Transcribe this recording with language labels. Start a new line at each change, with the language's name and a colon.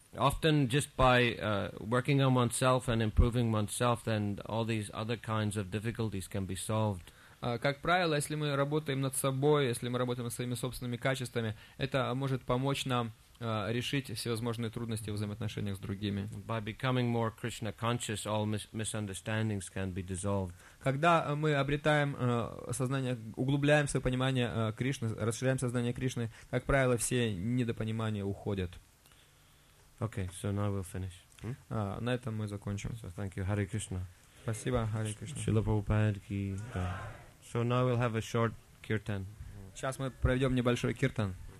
English: Often just by working on oneself and improving oneself, then all these other kinds of difficulties can be solved.
Russian: Как правило, если мы работаем над собой, если мы работаем над своими собственными качествами, это может помочь нам решить всевозможные трудности в взаимоотношениях с другими.
English: By becoming more Krishna conscious, all misunderstandings can be dissolved.
Russian: Когда мы обретаем сознание, углубляем свое понимание Кришны, расширяем сознание Кришны, как правило, все недопонимания уходят.
English: Okay, so now we'll finish.
Russian: На этом мы закончим.
English: So thank you, Hare Krishna.
Russian: Спасибо, Hare Krishna.
English: Srila Prabhupada ki. So now we'll have a short kirtan.
Russian: Сейчас мы проведем небольшой киртан.